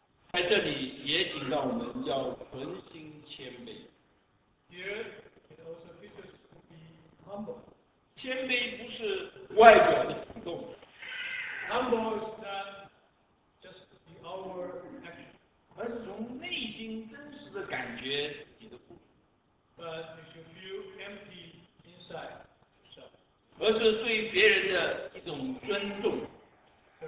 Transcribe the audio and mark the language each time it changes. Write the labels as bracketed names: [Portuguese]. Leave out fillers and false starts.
[Chinese] 在这里也警告我们要存心谦卑。 [English] Here it also teaches to be humble. [Chinese] 谦卑不是外表的举动。 [English] Humble is not just the outward action. [Chinese] 而是从内心真实的感觉你的不足。 [English] But you should feel empty inside yourself. [Chinese] 而是对别人的一种尊重。 [English] The